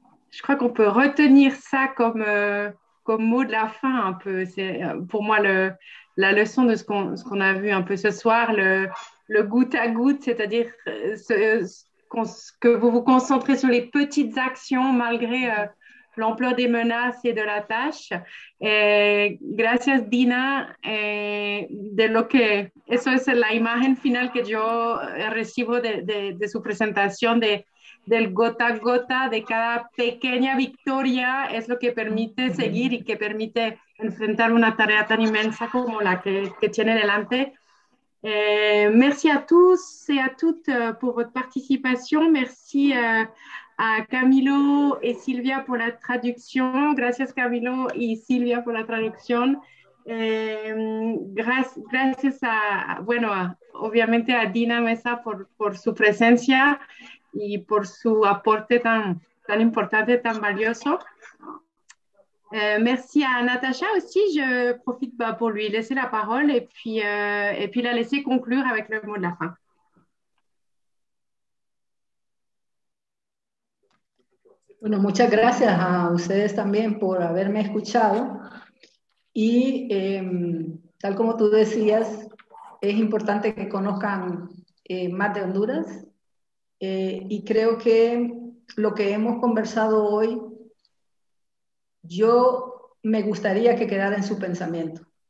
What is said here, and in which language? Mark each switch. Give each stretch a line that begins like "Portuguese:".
French: Je crois qu'on peut retenir ça comme mot de la fin un peu. C'est pour moi la leçon de ce qu'on a vu un peu ce soir, le goutte à goutte, c'est-à-dire que vous vous concentrez sur les petites actions malgré l'ampleur des menaces et de la tâche.
Spanish: Et gracias, Dina, de lo que eso es la imagen final que yo recibo de su presentación de del gota a gota, de cada pequeña victoria, es lo que permite seguir y que permite enfrentar una tarea tan inmensa como la que tiene delante.
French: Merci a tous et à toutes pour votre participation. Merci a Camilo et Silvia pour la traduction.
Spanish: Gracias Camilo y Silvia por la traducción. Gracias a, bueno, obviamente a Dina Mesa por su presencia. y por su aporte tan, tan importante, tan valioso.
French: Merci à Natacha aussi. Je profite bah, pour lui laisser la parole et puis la laisser conclure avec le mot de la fin.
Spanish: Bueno, muchas gracias a ustedes también por haberme escuchado. Y tal como tú decías, es importante que conozcan más de Honduras. Y creo que lo que hemos conversado hoy, yo me gustaría que quedara en su pensamiento.